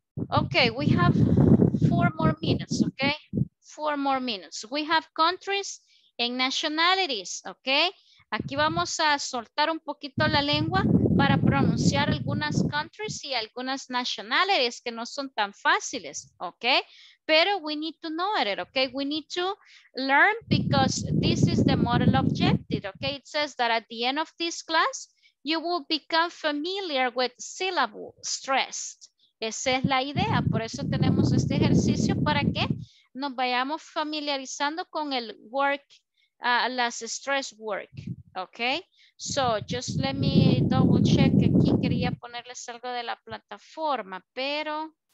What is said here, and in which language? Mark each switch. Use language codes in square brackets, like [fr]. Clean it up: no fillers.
[en] Ok, we have 4 more minutes, ¿ok? 4 more minutes. We have countries and nationalities, ¿ok? [es] Aquí vamos a soltar un poquito la lengua para pronunciar algunas countries y algunas nationalities que no son tan fáciles, ¿ok? [en] Pero we need to know it, okay? We need to learn because this is the model objective, okay? It says that at the end of this class, you will become familiar with syllable stressed. [es] Esa es la idea. Por eso tenemos este ejercicio para que nos vayamos familiarizando con el work, las stress work, okay? [en] So just let me double check. [es] Aquí quería ponerles algo de la plataforma, pero...